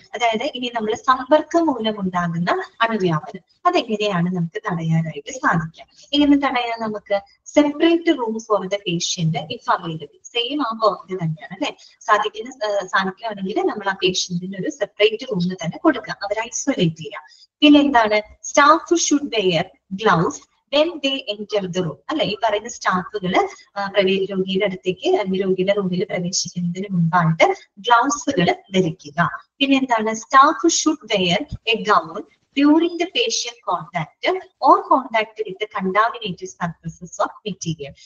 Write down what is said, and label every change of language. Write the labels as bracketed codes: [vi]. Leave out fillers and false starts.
[ml] അതായത് ഇനി നമ്മൾ സമ്പർക്കം മൂലം ഉണ്ടാകുന്ന അണുവ്യാപനം അതെങ്ങനെയാണ് നമുക്ക് തടയാനായിട്ട് സാധിക്കുക? ഇങ്ങനെ തടയാൻ നമുക്ക് [en] separate room for the patient if available, [ml] same ആ വാർഡ് തന്നെയാണ് അല്ലെ, സാധിക്കുകയാണെങ്കിൽ നമ്മൾ ആ പേഷ്യന്റിന് ഒരു സെപ്പറേറ്റ് റൂം തന്നെ കൊടുക്കുക, അവരെ ഐസോലേറ്റ് ചെയ്യുക. പിന്നെന്താണ്? [en] Staff should wear gloves when they enter the room. [ml] അല്ലെ, ഈ പറയുന്ന സ്റ്റാഫുകൾ രോഗിയുടെ അടുത്തേക്ക് അല്ലെങ്കിൽ രോഗിയുടെ റൂമിൽ പ്രവേശിക്കുന്നതിന് മുമ്പായിട്ട് ഗ്ലൗസുകൾ ധരിക്കുക. പിന്നെന്താണ്? [en] Staff should wear a gown during the patient contact or contact with contaminated surfaces of material.